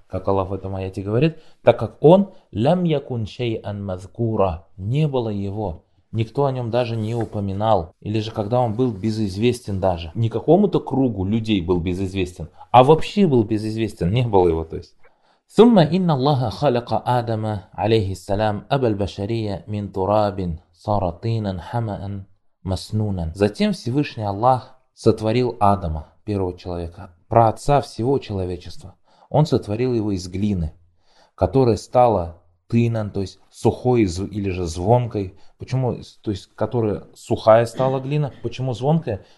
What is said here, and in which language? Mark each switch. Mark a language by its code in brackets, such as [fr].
[ru] Как Аллах в этом аяте говорит. Так как он [ar] лям якун шайан мазкура. [ru] Не было его Никто о нем даже не упоминал, или же когда он был безызвестен даже. Не какому-то кругу людей был безызвестен, а вообще был безызвестен, не было его, то есть. [ar] ثم إن الله خلق آدم عليه السلام أبا البشرية من تراب صار طينا حمأ مسنونا. [ru] Затем Всевышний Аллах сотворил Адама, первого человека, праотца всего человечества. Он сотворил его из глины, которая стала тынан, то есть сухой или же звонкой. Почему? То есть, которая сухая стала глина. Почему звонкая?